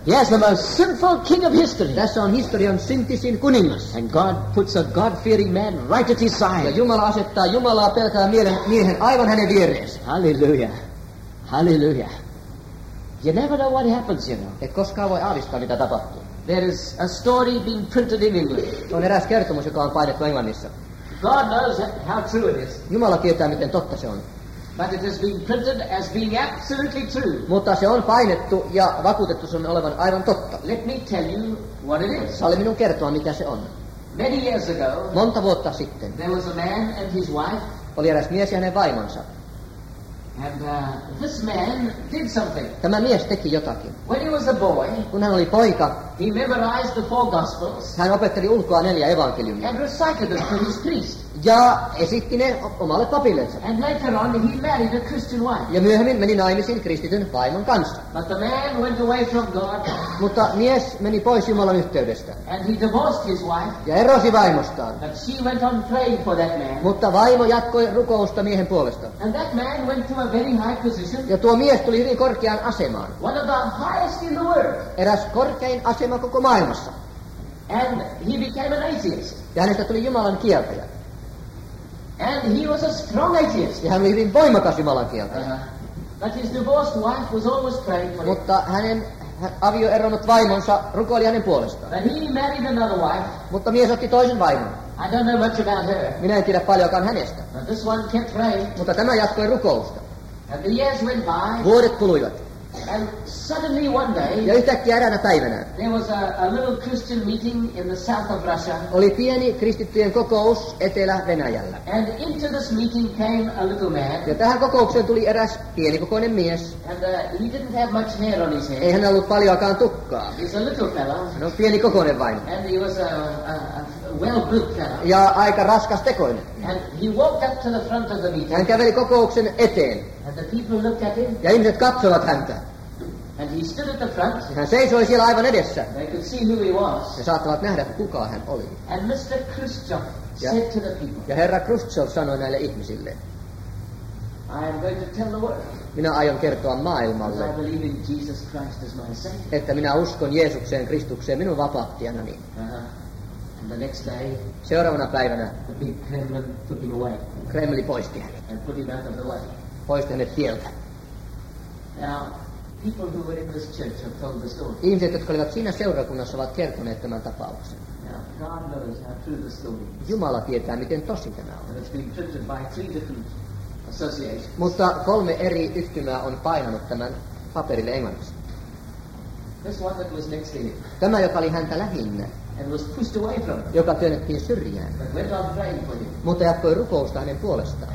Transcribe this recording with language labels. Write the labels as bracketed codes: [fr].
[en] Yes, the most sinful king of history. [fi] Tässä on historian syntisin kuningas. [en] And God puts a God-fearing man right at his side. [fi] Ja Jumala asettaa Jumalaa pelkää miehen aivan hänen viereensä. [en] Hallelujah. Hallelujah. You never know what happens, you know. [fi] Et koskaan voi aavistaa, mitä tapahtuu. [en] There is a story being printed in English. [fi] On eräs kertomus, joka on painettu Englannissa. [en] God knows how true it is. [fi] Jumala tietää, miten totta se on. [en] But it has been printed as being absolutely true. [fi] Mutta se on painettu ja vakuutettu sen olevan aivan totta. [en] Let me tell you what it is. [fi] Sali minun kertoa, mitä se on. [en] Many years ago. [fi] Monta vuotta sitten. [en] There was a man and his wife. [fi] Oli eräs mies ja hänen vaimonsa. [en] And this man did something. [fi] Tämä mies teki jotakin. [en] When he was a boy, [fi] kun hän oli poika, [en] he memorized the four gospels. [fi] Hän opetteli ulkoa neljä evankeliumia. [en] And recited them to his priest. [fi] Ja esitti ne omalle papillensa. [en] And later on, he married a Christian wife. [fi] Ja myöhemmin meni naimisiin kristityn vaimon kanssa. [en] But the man went away from God. [fi] Mutta mies meni pois Jumalan yhteydestä. [en] And he divorced his wife. [fi] Ja erosi vaimostaan. [en] But she went on praying for that man. [fi] Mutta vaimo jatkoi rukousta miehen puolesta. [en] And that man went to a very high position. [fi] Ja tuo mies tuli hyvin korkeaan asemaan. [en] One of the highest in the world. [fi] Eräs korkein asema koko maailmassa. [en] And he became an atheist. [fi] Ja hänestä tuli Jumalan kieltäjä. [en] And he was a strong atheist. [fi] Ja hän oli hyvin voimakas Jumalan kieltä. [en] But his divorced wife was always praying for him. [fi] Mutta hänen avioeronnut vaimonsa rukoili hänen puolestaan. [en] But he married another wife. [fi] Mutta mies otti toisen vaimon. [en] I don't know much about her. [fi] Minä en tiedä paljonkaan hänestä. [en] But this one kept praying. [fi] Mutta tämä jatkoi rukousta. [en] And the years went by. [fi] Vuodet kuluivat. [en] And suddenly one day. [fi] Ja yhtäkkiä eräänä päivänä. [en] There was a little Christian meeting in the south of Russia. [fi] Oli pieni kristittyjen kokous Etelä-Venäjällä. [en] And into this meeting came a little man. [fi] Ja tähän kokoukseen tuli eräs pienikokoinen mies. [en] And he didn't have much hair on his head. [fi] Ei hän ollut paljoakaan tukkaa. [en] He's a little fellow. [fi] No pienikokoinen vain. [en] And he was a well-built fellow. [fi] Ja aika raskas tekoinen. [en] And he walked up to the front of the meeting. [fi] Hän käveli kokouksen eteen. [en] And the people looked at him. [fi] Ja ihmiset katsoivat häntä. [en] And he stood at the front. [fi] Hän seisoi siellä aivan edessä. [en] They could see who he was. [fi] He saattavat nähdä, kuka hän oli. [en] And Mr. Khrushchev said to the people. [fi] Ja herra Khrushchev sanoi näille ihmisille. [en] I am going to tell the world. [fi] Minä aion kertoa maailmalle. [en] I believe in Jesus Christ as my Savior. [fi] Että minä uskon Jeesukseen Kristukseen minun vapahtajanani. [en] And the next day. [fi] Seuraavana päivänä. [en] The big Kremlin took him away. [fi] Kremli poisti hänet. [en] And put him out of the way. [fi] Poisti hänet tieltä. [en] Now, people who were in this church have told the story. [fi] Ihmiset, jotka olivat siinä seurakunnassa, ovat kertoneet tämän tapauksen. [en] Now, God knows how true the story is. [fi] Jumala tietää, miten tosi tämä on. [en] And it's been printed by three different associations. [fi] Mutta kolme eri yhtymää on painanut tämän paperille englanniksi. [en] This one that was next in it. [fi] Tämä, joka oli häntä lähinnä. [en] And was pushed away from him. [fi] Joka työnnettiin syrjään. [en] But went on praying for him. [fi] Mutta jatkoi rukousta hänen puolestaan.